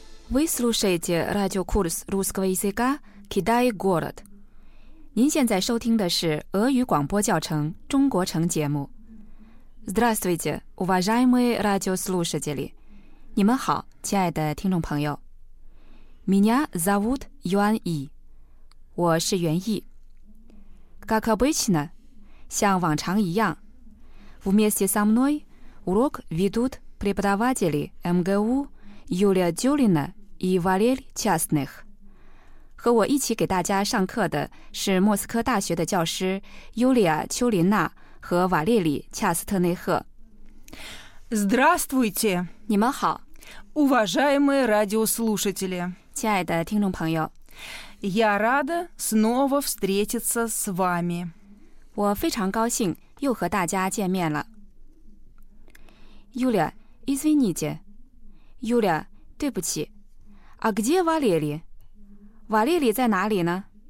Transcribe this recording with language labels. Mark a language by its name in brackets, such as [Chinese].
[Russian] Вы слушаете радиокурс русского языка «Китай город». [Chinese] 您现在收听的是俄语广播教程《中国城》节目。 [Russian] Здравствуйте, уважаемые радиослушатели! [Chinese] 你们好，亲爱的听众朋友。 [Russian] Меня зовут Юан И. [Chinese] 我是袁毅。 [Russian] Как обычно, [Chinese] 像往常一样 [Russian] ,Вместе со мной урок ведут преподаватели МГУ Юлия Дюлина и Валерий Частных. [Chinese] 和我一起给大家上课的是莫斯科大学的教师 Юлия Дюлина 和瓦列里·恰斯特内赫。 [Russian] Здравствуйте! [Chinese] 你们好。 [Russian] Уважаемые радиослушатели! [Chinese] 亲爱的听众朋友。 [Russian] Я рада снова встретиться с вами. [Chinese] 我非常高兴又和大家见面了。 [Russian] Юлия, извините. Юлия, [Chinese] 对不起。 [Russian] А где Валерий? [Chinese] Валерий 在哪里呢?